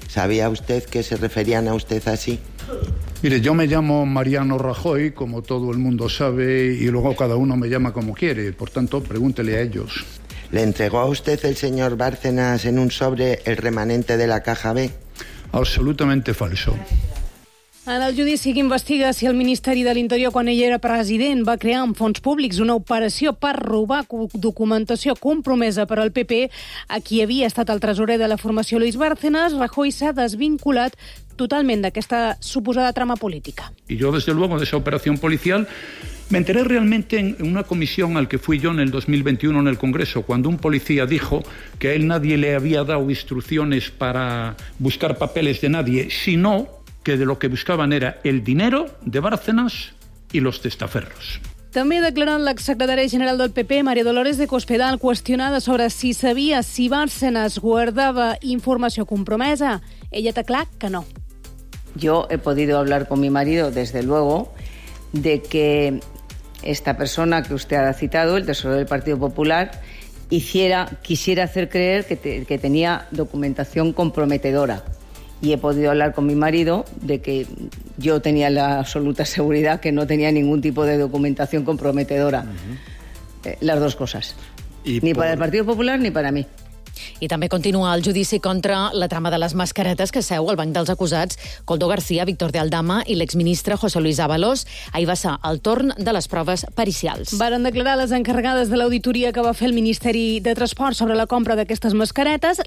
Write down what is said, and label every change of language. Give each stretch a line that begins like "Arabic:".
Spanish: ¿Sabía usted que se referían a usted así? Mire, yo me llamo Mariano Rajoy, como todo el mundo sabe, y luego cada uno me llama como quiere. Por tanto, pregúntele a ellos. ¿Le entregó a usted el señor Bárcenas en un sobre el remanente de la caja B? Absolutamente falso.
Catalan: En el judici que investiga si el Ministeri de l'Interior, quan ell era president, va crear amb fons públics una operació per robar documentació compromesa per al PP, a qui havia estat el tresorer de la formació Luis Bárcenas, Rajoy s'ha desvinculat totalment d'aquesta suposada trama política.
Spanish: Y yo, desde luego, de esa operación policial, me enteré realmente en una comisión al que fui yo en el 2021 en el Congreso, cuando un policía dijo que a él nadie le había dado instrucciones para buscar papeles de nadie, sino que de lo que buscaban era el dinero de Bárcenas y los testaferros.
Catalan: També ha declarat l'exsecretària general del PP, Maria Dolores de Cospedal, qüestionada sobre si sabia si Bárcenas guardava informació compromesa. Ella té clar que no.
Spanish: Yo he podido hablar con mi marido, desde luego, de que esta persona que usted ha citado, el tesorero del Partido Popular, quisiera hacer creer que tenía documentación comprometedora. Y he podido hablar con mi marido de que yo tenía la absoluta seguridad que no tenía ningún tipo de documentación comprometedora. Las dos cosas. Ni para el Partido Popular ni para mí.
Catalan: I també continua el judici contra la trama de les mascaretes que seu al banc dels acusats Koldo García, Víctor de Aldama i l'exministre José Luis Ábalos. Ahir va ser el torn de les proves pericials. Varen declarar les encarregades de l'auditoria que va fer el Ministeri de Transport sobre la compra d'aquestes mascaretes.